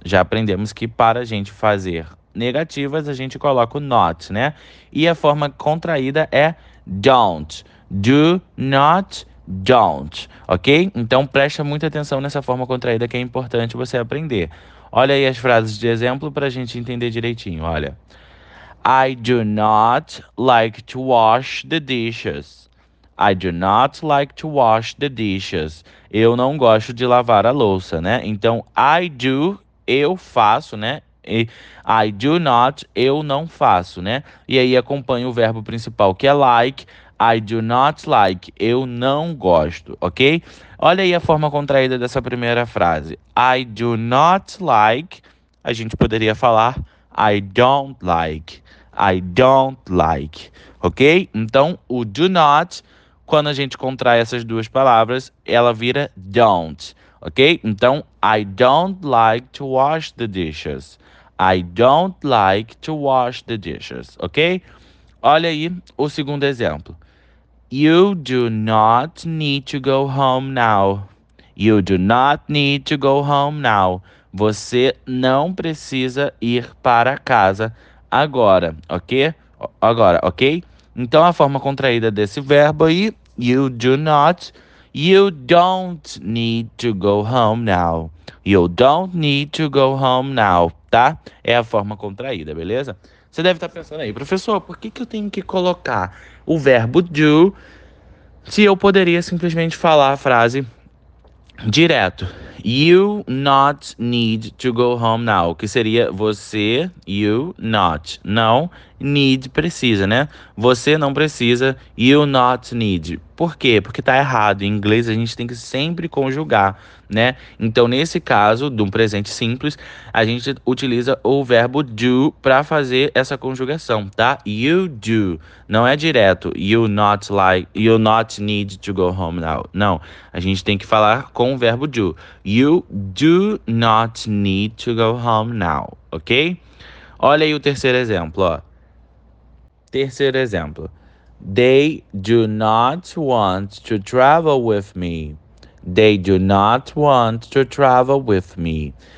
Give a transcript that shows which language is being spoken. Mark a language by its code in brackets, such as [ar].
[pt] Já aprendemos que para a gente fazer negativas, a gente coloca o not, né? E a forma contraída é don't. Do not, don't. Ok? Então presta muita atenção nessa forma contraída que é importante você aprender. Olha aí as frases de exemplo para a gente entender direitinho. Olha. [en] I do not like to wash the dishes. I do not like to wash the dishes. [pt] Eu não gosto de lavar a louça, né? Então, [en] I do, [pt] eu faço, né? E [en] I do not, [pt] eu não faço, né? E aí acompanha o verbo principal que é like. [en] I do not like, [pt] eu não gosto, ok? Olha aí a forma contraída dessa primeira frase. [en] I do not like, [pt] a gente poderia falar [en] I don't like, ok? [pt] Então, o do not, quando a gente contrai essas duas palavras, ela vira don't, ok? [en] Então, I don't like to wash the dishes. I don't like to wash the dishes, ok? [pt] Olha aí o segundo exemplo. [en] You do not need to go home now. You do not need to go home now. [pt] Você não precisa ir para casa agora, ok? Agora, ok? Então a forma contraída desse verbo aí, [en] you do not. You don't need to go home now. You don't need to go home now, tá? [pt] É a forma contraída, beleza? Você deve estar pensando aí, professor, por que que eu tenho que colocar o verbo do se eu poderia simplesmente falar a frase direto? [en] You not need to go home now, [pt] que seria você, [en] you not, não, need precisa, né? [pt] Você não precisa, [en] you not need. [pt] Por quê? Porque tá errado. Em inglês a gente tem que sempre conjugar, né? Então, nesse caso, de um presente simples, a gente utiliza o verbo do para fazer essa conjugação, tá? [en] You do. [pt] Não é direto. [en] You not like, you not need to go home now. [pt] Não. A gente tem que falar com o verbo do. [en] You do not need to go home now, ok? [pt] Olha aí o terceiro exemplo, ó. Terceiro exemplo. [en] They do not want to travel with me. They do not want to travel with me.